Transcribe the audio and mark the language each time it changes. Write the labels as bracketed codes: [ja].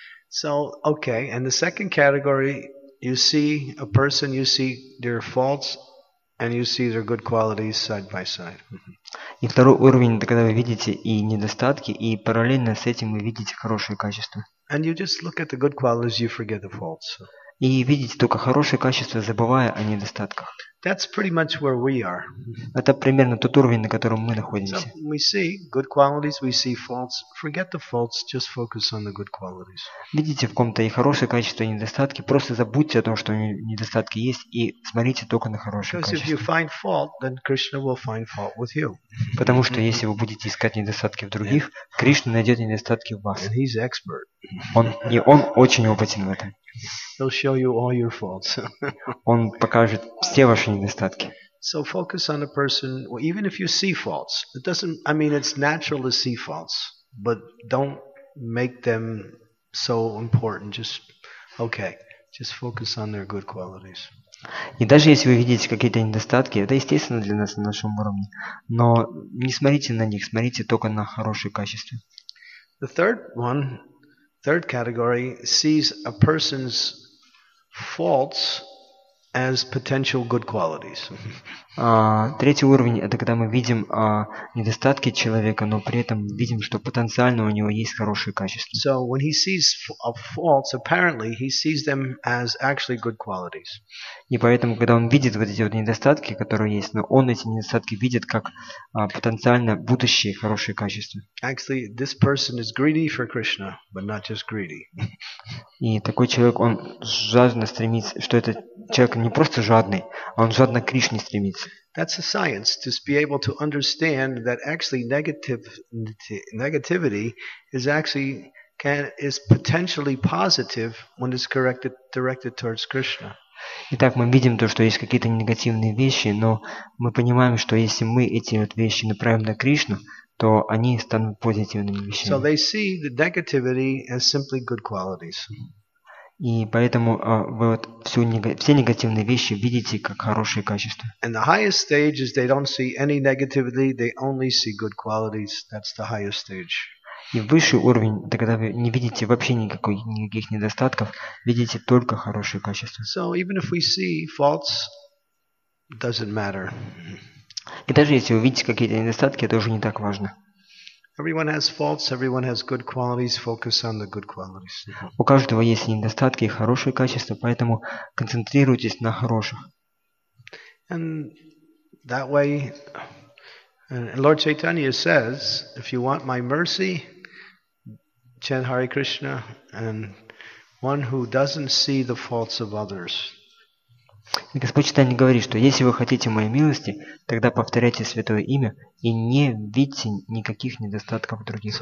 [en] So, okay, and the second category, you see a person, you see their faults, and you see their good qualities side by side. [ru] И второй уровень, это когда вы видите и недостатки, и параллельно с этим вы видите хорошие качества. [en] And you just look at the good qualities, you forget the faults. [ru] И видите только хорошие качества, забывая о недостатках. [en] That's pretty much where we are. [ru] Это примерно тот уровень, на котором мы находимся. [en] So we see good qualities, we see faults. Forget the faults, just focus on the good qualities. [ru] Видите в ком-то и хорошие качества, и недостатки. Просто забудьте о том, что недостатки есть, и смотрите только на хорошие качества. [en] Because if you find fault, then Krishna will find fault with you. [ru] Потому что если вы будете искать недостатки в других, Кришна найдет недостатки в вас. [en] And he's expert. [ru] Он очень опытен в этом. [en] He'll show you all your faults. [ru] Он покажет все ваши недостатки. [en] So focus on a person, well, even if you see faults. It doesn't, I mean, it's natural to see faults, but don't make them so important. Just focus on their good qualities. [ru] И даже если вы видите какие-то недостатки, это естественно для нас на нашем уровне, но не смотрите на них, смотрите только на хорошие качества. [en] The third one. Third category sees a person's faults as potential good qualities. [ru] Третий уровень – это когда мы видим недостатки человека, но при этом видим, что потенциально у него есть хорошие качества. [en] So when he sees a faults, apparently he sees them as actually good qualities. [ru] И поэтому, когда он видит вот эти вот недостатки, которые есть, но он эти недостатки видит как потенциально будущие хорошие качества. [en] Actually, this person is greedy for Krishna, but not just greedy. [ru] И такой человек, он жадно стремится, что этот человек не просто жадный, а он жадно к Кришне стремится. [en] That's a science, to be able to understand that actually negativity is actually is potentially positive when it's directed towards Krishna. [ru] Итак, мы видим то, что есть какие-то негативные вещи, но мы понимаем, что если мы эти вот вещи направим на Кришну, то они станут позитивными вещами. [en] So they see the negativity as simply good qualities. [ru] И поэтому вы вот все негативные вещи видите как хорошие качества. [en] And the highest stage is they don't see any negativity, they only see good qualities. That's the highest stage. [ru] И высший уровень, это когда вы не видите вообще никаких недостатков, видите только хорошие качества. [en] So even if we see faults, doesn't matter. [ru] И даже если вы видите какие-то недостатки, это уже не так важно. [en] Everyone has faults, everyone has good qualities, focus on the good qualities. [ru] У каждого есть недостатки и хорошие качества, поэтому концентрируйтесь на хороших. [en] And that way, and Lord Chaitanya says, if you want my mercy, chant Hare Krishna, and one who doesn't see the faults of others. [ru] И Господь Читания говорит, что если вы хотите моей милости, тогда повторяйте святое имя и не видите никаких недостатков других.